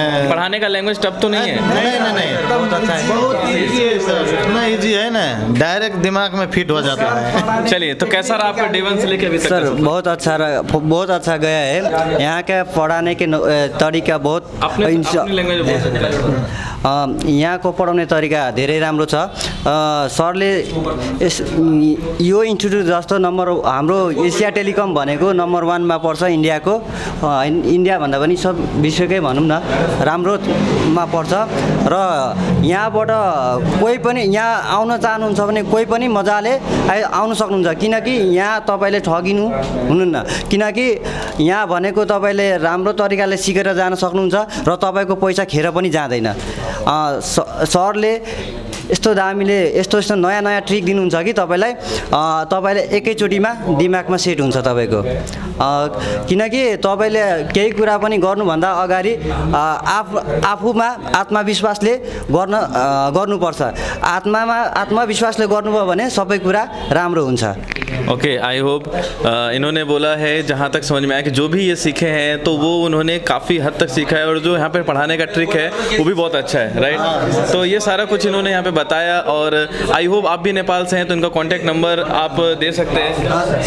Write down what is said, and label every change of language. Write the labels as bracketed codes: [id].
[hi] पढ़ाने का language tough तो नहीं है? नहीं नहीं नहीं, बहुत ईजी है सर, इतना ईजी है ना, डायरेक्ट दिमाग में फिट हो जाता है। चलिए तो कैसा रहा आपका D1 से लेके अभी तक? सर बहुत अच्छा रहा, बहुत अच्छा गया है, यहाँ का पढ़ाने के तरीका बहुत [ne] यहाँको पढाउने तरिका धेरै राम्रो छ सरले यस यो इन्स्टिट्युट जस्तो नम्बर हाम्रो एसिया टेलिकम भनेको नम्बर वानमा पर्छ इन्डियाको इन्डियाभन्दा पनि सब विश्वकै भनौँ न राम्रोमा पर्छ र यहाँबाट कोही पनि यहाँ आउन चाहनुहुन्छ भने कोही पनि मजाले आउन सक्नुहुन्छ किनकि यहाँ तपाईँले ठगिनु हुनुहुन्न किनकि यहाँ भनेको तपाईँले राम्रो तरिकाले सिकेर जान सक्नुहुन्छ र तपाईँको पैसा खेर पनि जाँदैन सरले यस्तो दामीले यस्तो यस्तो नयाँ नयाँ ट्रिक दिनुहुन्छ कि तपाईँलाई तपाईँले एकैचोटिमा दिमागमा सेट हुन्छ तपाईँको किनकि तपाईँले केही कुरा पनि गर्नुभन्दा अगाडि आफूमा आत्मविश्वासले गर्न गर्नुपर्छ आत्मामा आत्मविश्वासले गर्नुभयो भने सबै कुरा राम्रो हुन्छ [hi] ओके आई होप इन्होंने बोला है जहाँ तक समझ में आया कि जो भी ये सीखे हैं तो वो उन्होंने काफ़ी हद तक सीखा है और जो यहाँ पे पढ़ाने का ट्रिक है वो भी बहुत अच्छा है राइट तो ये सारा कुछ इन्होंने यहाँ पे बताया और आई होप आप भी नेपाल से हैं तो इनका कॉन्टैक्ट नंबर आप दे सकते हैं